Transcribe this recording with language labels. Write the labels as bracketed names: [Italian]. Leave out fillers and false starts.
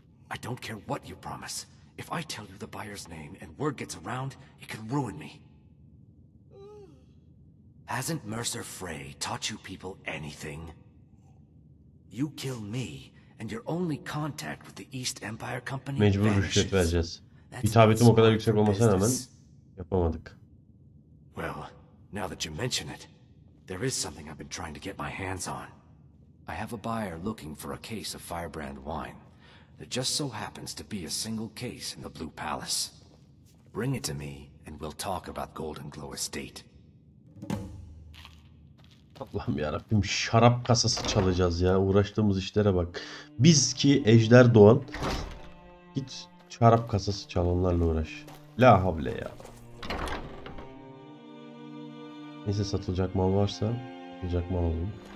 [English] I don't care what you promise. If I tell you the buyer's name and word gets around, it can ruin me. Hasn't Mercer Frey taught you people anything? You kill me, and your only contact with the East Empire Company [Turkish] mecbur rüşvet vereceğiz. Hitabetim o kadar yüksek olmasına rağmen yapamadık. [English] Well, now that you mention it, there is something I've been trying to get my hands on. I have a buyer looking for a case of Firebrand wine. There just so happens to be a single case in the Blue Palace. Bring it to me, and we'll talk about Golden Glow Estate. [Turkish] Allah'ım yarabbim, şarap kasası çalacağız ya. Uğraştığımız işlere bak. Biz ki ejder doğan, git şarap kasası çal, onlarla uğraş. La havle ya. Neyse, satılacak mal varsa satılacak mal alayım.